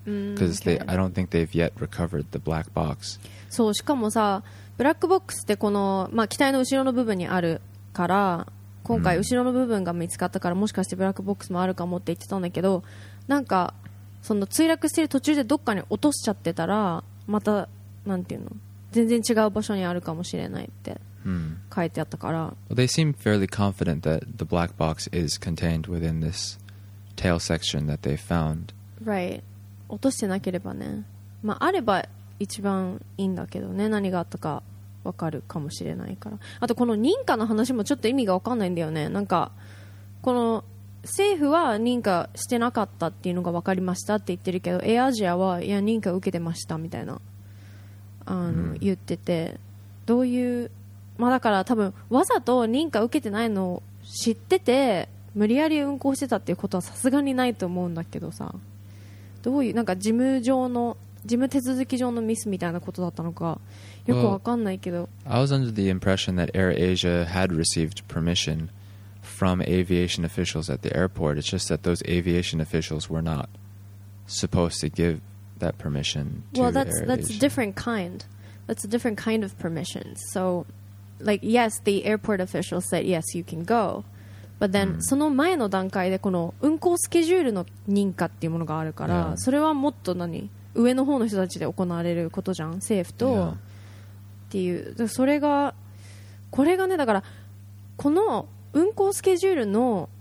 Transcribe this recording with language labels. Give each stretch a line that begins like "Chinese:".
English: Because I don't think they've yet recovered the black box.
Japanese: そう、しかもさ、ブラックボックスってこの、まあ、機体の後ろの部分にあるから、今回後ろの部分が見つかったから、もしかしてブラックボックスもあるかもって言ってたんだけど、なんか、その墜落してる途中でどっかに落としちゃってたら、また、なんていうの、全然違う場所にあるかもしれないって。書いてあったから。
English: Well, they seem fairly confident that the black box is contained within this tail section that they found.
Japanese: Right. 落としてなければね。まあ、あれば一番いいんだけどね。何があったか分かるかもしれないから。あとこの認可の話もちょっと意味が分かんないんだよね。なんか、この政府は認可してなかったっていうのが分かりましたって言ってるけど、Air Asia は、いや、認可受けてましたみたいな、言ってて、どういう。まあ、だから多分わざと認可受けてないのを知ってて無理やり運航してたっていうことはさすがにないと思うんだけどさ、どういうなんか事務上の事務手続き上のミスみたいなことだったのかよくわかんないけど、
English: well, I was under the impression that Air Asia had received permission from aviation officials at the airport. It's just that those aviation officials were not supposed to give that permission to Air Asia. Well, that's a different kind of permission. SoLike, yes, the airport official said, yes, you can go. But then,、
Japanese: その前の段階でこの運航スケジュールの認可っていうものがあるから、それはもっと何上の方の人たちで行われることじゃん、政府と、っていう。それが、これがね、だから、この運航スケジュールの